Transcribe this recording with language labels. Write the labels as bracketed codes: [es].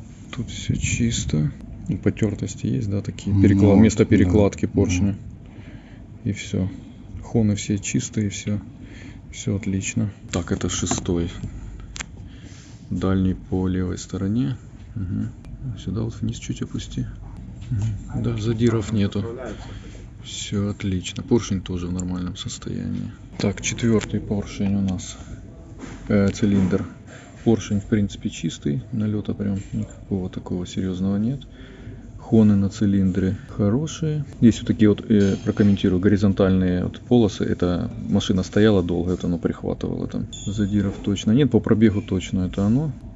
[uk] Тут все чисто. Потертості є, да, такі. Місто перекладки, да, поршня. І все. Хони всі чисті, і все. [ru] Все отлично. [uk] Так, це шостий. Дальній по лівій стороні. Угу. Сюди от вниз чуть опусти. Угу. Да, задіров нету. [ru] Все отлично. [uk] Поршень теж в нормальному состоянии. Так, четвертий поршень у нас. Циліндр. [ru] Поршень, в принципе, чистый, налета прям никакого такого серьезного нет. Хоны на цилиндре хорошие. Здесь вот такие вот, прокомментирую, горизонтальные вот полосы. Это машина стояла долго, это оно прихватывало там. Задиров точно нет, по пробегу точно это оно.